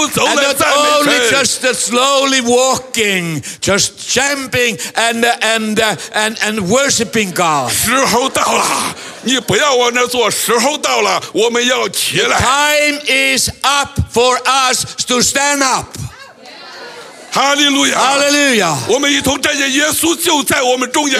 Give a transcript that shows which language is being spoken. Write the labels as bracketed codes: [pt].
[en] And not only just slowly walking, just jumping and worshiping God. [zh] 时候到了，你不要往那坐。时候到了，我们要起来。 [en] The time is up for us to stand up. Hallelujah. Hallelujah. [zh] 我们一同站起来，耶稣就在我们中间。